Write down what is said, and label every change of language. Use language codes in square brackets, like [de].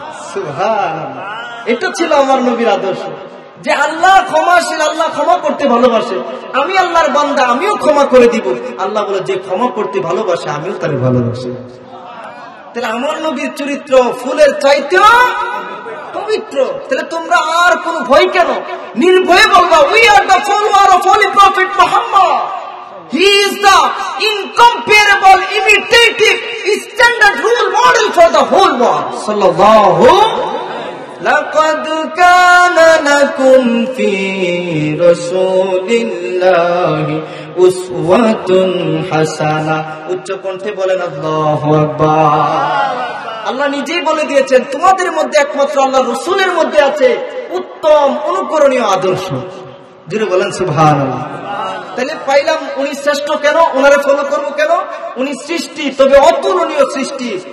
[bn] সুবহানাল্লাহ এটা ছিল আমার নবীর আদর্শ যে আল্লাহ ক্ষমাশীল আল্লাহ ক্ষমা করতে ভালোবাসে আমি আল্লাহর বান্দা আমিও ক্ষমা করে দিব আল্লাহ বলে যে ক্ষমা করতে ভালোবাসে আমিও তারে ভালোবাসি তাহলে আমার নবীর চরিত্র ফুলের চাইতেও পবিত্র তাহলে তোমরা আর কোন ভয় কেন নির্ভয়ে বলবা [en] We are the follower of holy prophet Muhammad He is the incomparable, imitative, standard role model for the whole world. [ar] Sallallahu. لقد كان لكم في رسول الله أسوة حسنة. [bn] উচ্চকণ্ঠে বলেন আল্লাহু আকবার. আল্লাহ নিজেই বলে দিয়েছেন তোমাদের মধ্যে একমাত্র আল্লাহর রাসূলের মধ্যে আছে উত্তম অনুকরণীয় আদর্শ. জোরে বলেন সুবহানাল্লাহ. তাহলে পাইলাম উনি শ্রেষ্ঠ কেন, ওনারে ফলো করব কেন? উনি সৃষ্টি, তবে অতুলনীয় সৃষ্টি,